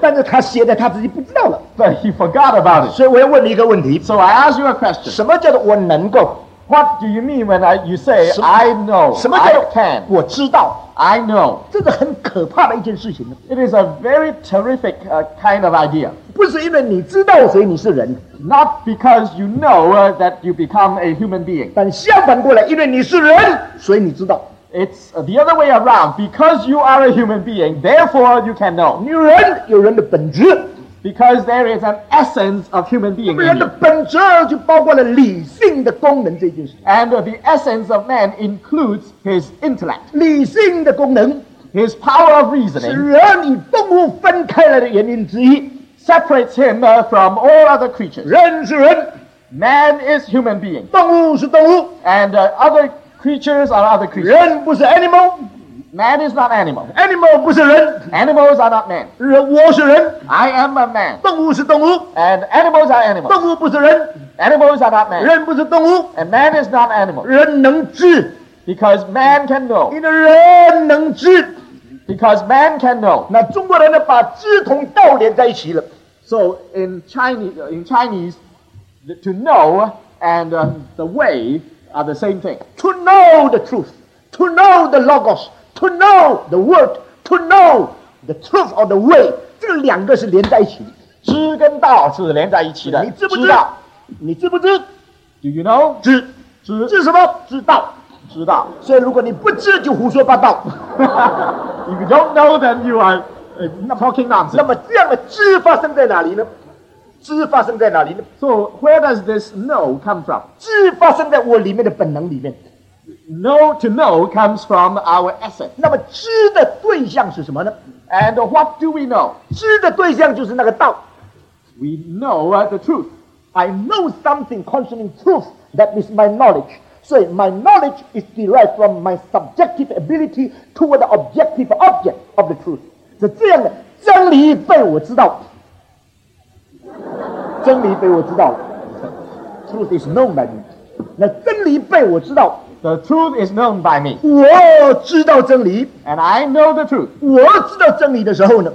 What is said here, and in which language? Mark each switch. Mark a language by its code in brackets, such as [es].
[zh] 但是他写的他自己不知道了, [en] but he forgot about it. [zh] 所以我要问你一个问题, [en] so I ask you a question. [zh] 什么叫做我能够? [en] What do you mean when you say, I know, I can? [zh] 我知道, [en] I know. [zh] 这是很可怕的一件事情。 [en] It is a very terrific kind of idea. [zh] 不是因为你知道谁你是人。 [en] Not because you know that you become a human being. [zh] 但相反过来,因为你是人,所以你知道。 [en] It's the other way around. Because you are a human being, therefore you can know. [zh] 你人有人的本质。 [en] Because there is an essence of human being in you. [zh] 人的本质就包括了理性的功能这件事。 [en] And the essence of man includes his intellect. [zh] 理性的功能, [en] his power of reasoning. [zh] 是人与动物分开来的原因之一。 [en] Separates him from all other creatures. [zh] 人是人, [en] man is human being. [zh] 动物是动物, [en] and other creatures are other creatures. [zh] 人不是 animal. [en] Man is not animal. [zh] Animal 不是人. [en] Animals are not man. [zh] 人我是人. [en] I am a man. [zh] 动物是动物. [en] And animals are animals. [zh] 动物不是人. [en] Animals are not man. [zh] 人不是动物. [en] And man is not animal. [zh] 人能知. [en] Because man can know. [zh] 因为人能知. [en] Because man can know. [zh] 那中国人把知同道连在一起了. [en] So in Chinese, to know and the way are the same thing. To know the truth. To know the logos. To know the word, to know the truth or the way, [zh] 这两个是连在一起的。知跟道是连在一起的。你知不知道？你知不知？ [en] Do you know? [zh] 知什么？知道。所以如果你不知就胡说八道。 [en] If you don't know, then you are talking nonsense. [zh] 那么这样的知发生在哪里呢？ [en] So where does this know come from? [zh] 知发生在我里面的本能里面。 [en] Know to know comes from our essence. [zh] 那么知的对象是什么呢? [en] And what do we know? [zh] 知的对象就是那个道。 [en] We know the truth. I know something concerning truth that is my knowledge. So my knowledge is derived from my subjective ability toward the objective object of the truth. [zh] 是这样的,真理被我知道。真理被我知道。 [en] Truth is known by me. [zh] 那真理被我知道。 [en] The truth is known by me. [zh] 我知道真理, [en] and I know the truth. [zh] 我知道真理的时候呢,